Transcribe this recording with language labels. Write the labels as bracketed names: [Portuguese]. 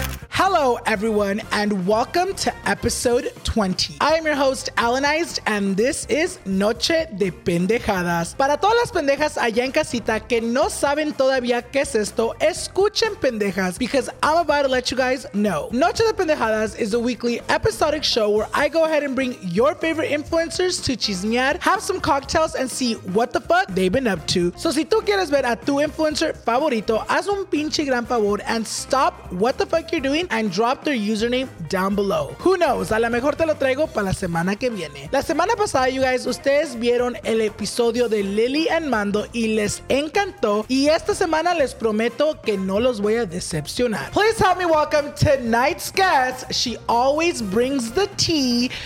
[English] Hello, everyone, and welcome to episode 20. I am your host, Alanized, and this is Noche de Pendejadas. [Spanish] Para todas las pendejas allá en casita que no saben todavía qué es esto, escuchen pendejas, [English] because I'm about to let you guys know. Noche de Pendejadas is a weekly episodic show where I go ahead and bring your favorite influencers to [Spanish] chismear, [English] have some cocktails, and see what the fuck they've been up to. So [Spanish] si tú quieres ver a tu influencer favorito, haz un pinche gran favor [English] and stop what the fuck you're doing and drop their username down below. Who knows? [Spanish] A lo mejor te lo traigo para la semana que viene. La semana pasada, [English] you guys, [Spanish] ustedes vieron el episodio de Lily and Mando y les encantó. Y esta semana les prometo que no los voy a decepcionar. [English] Please help me welcome tonight's guest. She always brings the tea.